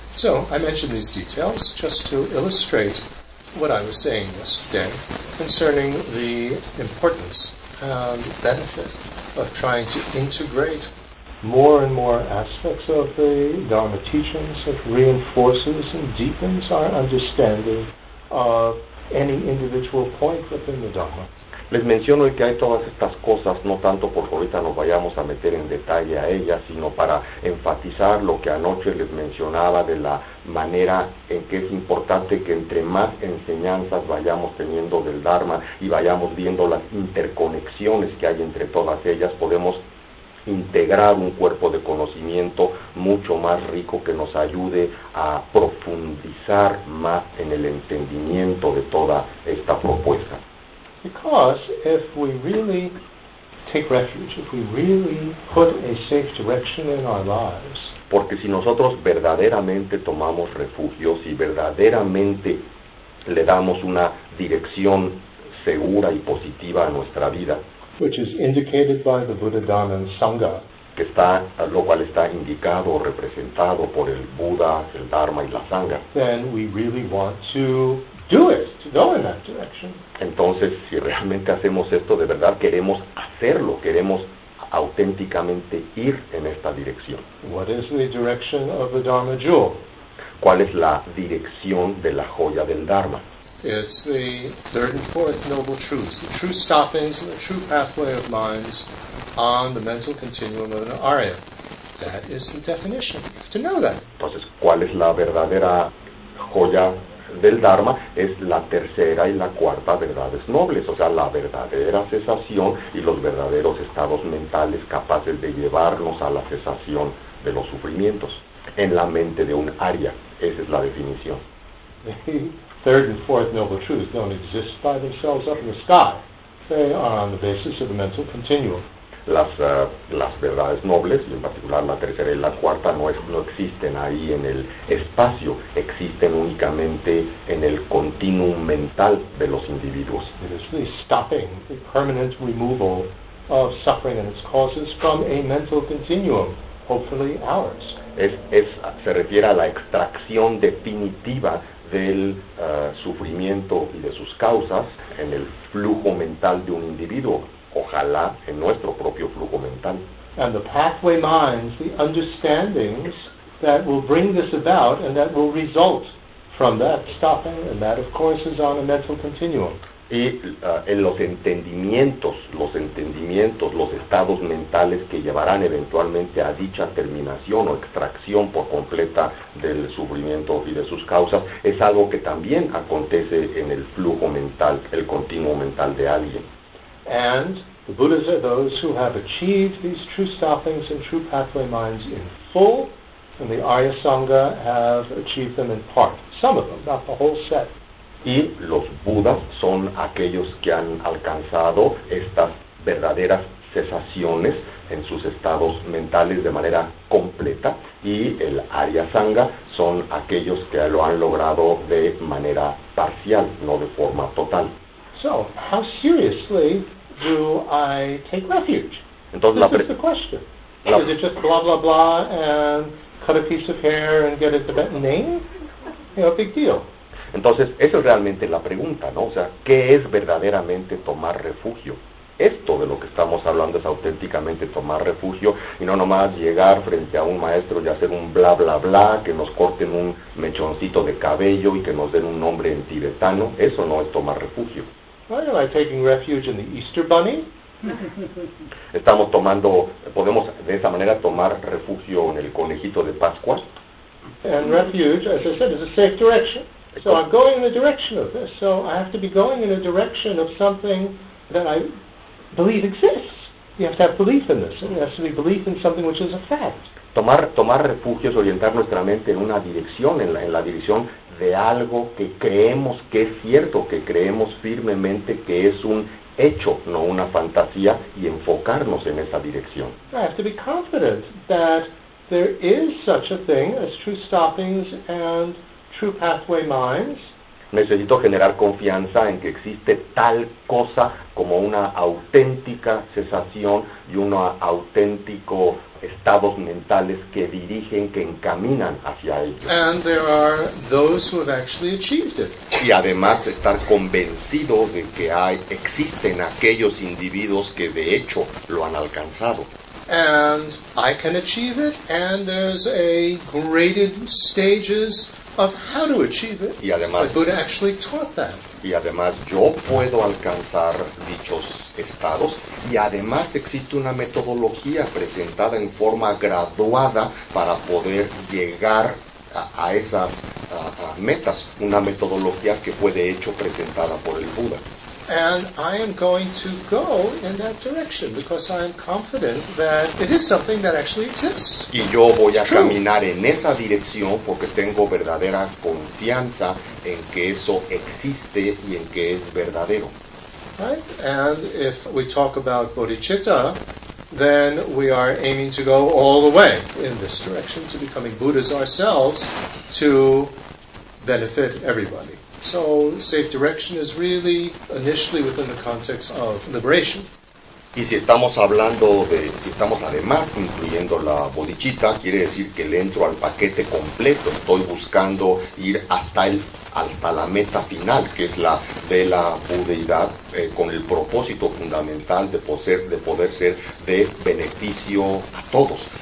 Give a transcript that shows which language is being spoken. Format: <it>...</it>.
<en>So, I mentioned these details just to illustrate what I was saying yesterday concerning the importance and benefit of trying to integrate more and more aspects of the Dharma teachings that reinforces and deepens our understanding of any individual point within the Dharma.</en> <es>Les menciono que hay todas estas cosas, no tanto porque ahorita nos vayamos a meter en detalle a ellas, sino para enfatizar lo que anoche les mencionaba de la manera en que es importante que entre más enseñanzas vayamos teniendo del Dharma y vayamos viendo las interconexiones que hay entre todas ellas, podemos integrar un cuerpo de conocimiento mucho más rico que nos ayude a profundizar más en el entendimiento de toda esta propuesta.</es> <en>Because if we really take refuge, if we really put a safe direction in our lives,</en> <es>porque si nosotros verdaderamente tomamos refugio, si verdaderamente le damos una dirección segura y positiva a nuestra vida,</es> <en>which is indicated by the Buddha, Dhamma, and Sangha,</en> <es>que está, lo cual está indicado o representado por el Buda, el Dharma y la Sangha,</es> <en>then we really want to do it, to go in that direction.</en> <es>Entonces, si realmente hacemos esto, de verdad queremos hacerlo, queremos auténticamente ir en esta dirección.</es> <en>What is the direction of the Dharma jewel?</en> <es>¿Cuál es la dirección de la joya del Dharma?</es> <en>It's the third and fourth noble truths, the true stoppings and the true pathway of minds on the mental continuum of an arya. That is the definition. You have to know that.</en> <es>Entonces, ¿cuál es la verdadera joya del Dharma? Es la tercera y la cuarta verdades nobles, o sea, la verdadera cesación y los verdaderos estados mentales capaces de llevarnos a la cesación de los sufrimientos en la mente de un arya. Esa es la definición.</es> <en>Third and fourth noble truths don't exist by themselves up in the sky. They are on the basis of the mental continuum.</en> <es>Las verdades nobles, y en particular la tercera y la cuarta, no existen ahí en el espacio. Existen únicamente en el continuum mental de los individuos.</es> <en>It is really stopping the permanent removal of suffering and its causes from a mental continuum, hopefully ours.</en> <es>Se refiere a la extracción definitiva del sufrimiento y de sus causas en el flujo mental de un individuo, ojalá en nuestro propio flujo mental.</es> <en>And the pathway minds, the understandings that will bring this about and that will result from that stopping, and that of course is on a mental continuum.</en> <es>Y en los entendimientos, los estados mentales que llevarán eventualmente a dicha terminación o extracción por completa del sufrimiento y de sus causas, es algo que también acontece en el flujo mental, el continuo mental de alguien.</es> <en>And the Buddhas are those who have achieved these true stoppings and true pathway minds in full, and the Arya Sangha have achieved them in part. Some of them, not the whole set.</en> <es>Y los Budas son aquellos que han alcanzado estas verdaderas cesaciones en sus estados mentales de manera completa, y el Arya Sangha son aquellos que lo han logrado de manera parcial, no de forma total.</es> <en>So, how seriously do I take refuge?</en> <es>Entonces,</es> <en>This is the question. Is it just blah blah blah and cut a piece of hair and get a Tibetan name? You know, big deal.</en> <es>Entonces, esa es realmente la pregunta, ¿no? O sea, ¿qué es verdaderamente tomar refugio? Esto de lo que estamos hablando es auténticamente tomar refugio, y no nomás llegar frente a un maestro y hacer un bla bla bla, que nos corten un mechoncito de cabello y que nos den un nombre en tibetano. Eso no es tomar refugio.</es> <en>Why am I taking refuge in the Easter bunny?</en> <es>Estamos tomando, podemos de esa manera tomar refugio en el conejito de Pascua.</es> <en>And refuge, as I said, is a safe direction. So I'm going in the direction of this. So I have to be going in a direction of something that I believe exists. You have to have belief in this. And there has to be belief in something which is a fact.</en> <es>Tomar refugio es orientar nuestra mente en una dirección, en la dirección de algo que creemos que es cierto, que creemos firmemente que es un hecho, no una fantasía, y enfocarnos en esa dirección.</es> <en>I have to be confident that there is such a thing as true stoppings and true pathway minds.</en> <es>Necesito generar confianza en que existe tal cosa como una auténtica cesación y un auténtico estados mentales que dirigen, que encaminan hacia ellos.</es> <en>And there are those who have actually achieved it.</en> <es>Y además estar convencido de que existen aquellos individuos que de hecho lo han alcanzado.</es> <en>And I can achieve it, and there's a graded stages of how to achieve it.</en> <es>Y además,</es> <en>the Buddha actually taught that.</en> <es>Y además yo puedo alcanzar dichos estados, y además existe una metodología presentada en forma graduada para poder llegar a esas a metas, una metodología que fue de hecho presentada por el Buda.</es> <en>And I am going to go in that direction because I am confident that it is something that actually exists.</en> <es>Y yo voy a caminar en esa dirección porque tengo verdadera confianza en que eso existe y en que es verdadero.</es> <en>Right? And if we talk about bodhicitta, then we are aiming to go all the way in this direction, to becoming Buddhas ourselves, to benefit everybody. So, safe direction is really initially within the context of liberation.</en> <es>Y si estamos hablando de, si estamos además incluyendo la bodhicitta, quiere decir que le entro al paquete completo. Estoy buscando ir hasta la meta final, que es la de la budeidad, con el propósito fundamental de poder ser de beneficio a todos.</es>